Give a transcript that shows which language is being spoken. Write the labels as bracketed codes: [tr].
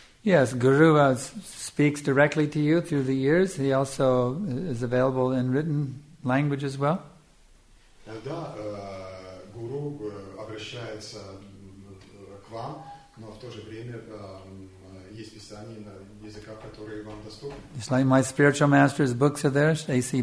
[en] Yes, guru speaks directly to you through the ears. He also is available in written language as well. [ru] Да, guru обращается к вам, но в то же время есть писание на языках, которые вам доступны. [en] It's like my spiritual master's books are there, A.C.